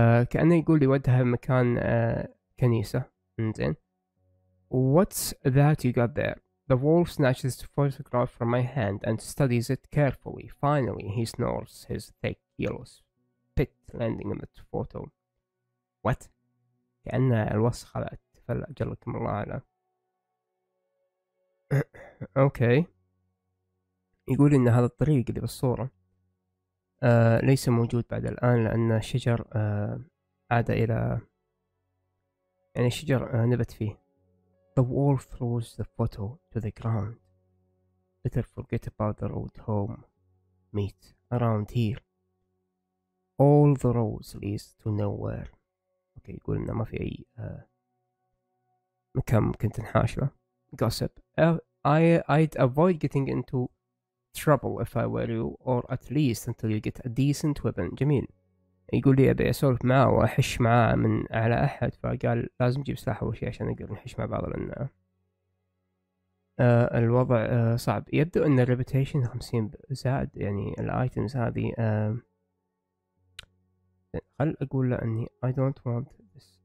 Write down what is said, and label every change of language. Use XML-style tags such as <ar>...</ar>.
<ar>كأنه يقول لي ودها مكان كنيسة. انزين.</ar> <en>What's that you got there? The wolf snatches the photograph from my hand and studies it carefully. Finally, he snores his thick yellow spit landing in the photo. What?</en> <ar>كأن الوسخة تفلأ جلكم الله على.</ar> <en>Okay.</en> <ar>يقول إن هذا الطريق اللي بالصورة ليس موجود بعد الآن لأن الشجر عاد إلى يعني الشجر نبت فيه.</ar> <en>The wolf throws the photo to the ground. Better forget about the road home. Meet around here. All the roads lead to nowhere.</en> <ar>Okay, يقول إنه ما في أي مكان ممكن تنحاش له.</ar> <en>Gossip. I'd avoid getting into trouble if I were you, or at least until you get a decent weapon.</en> <ar>جميل. يقول لي أبي أسولف معه وأحش معه من على أحد فقال لازم جيب سلاح أو شيء عشان نقدر نحش مع بعض لأن الوضع صعب. يبدو أن الريبوتيشن 50 زاد يعني الأيتمز هذه خل أقول له أني</ar> <en>I don't want this.</en>